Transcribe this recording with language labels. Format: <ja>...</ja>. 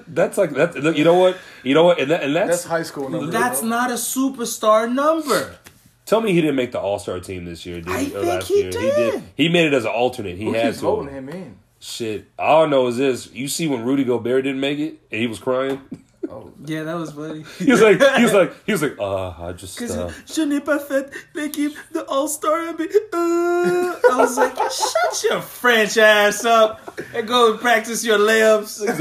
<en>That's you know what? You know what? And that's high school number. That's not a superstar number. Tell me he didn't make the All-Star team this year, dude. I think he did. He made it as an alternate. He had to. Who's holding him in? Shit. All I know is this. You see when Rudy Gobert didn't make it and he was crying? Oh, yeah, that was funny. He was like,</en> <fr>je n'ai pas fait l'équipe</fr> <en>the All-Star NBA. I was like, shut your French ass up and go and practice your layups.</en>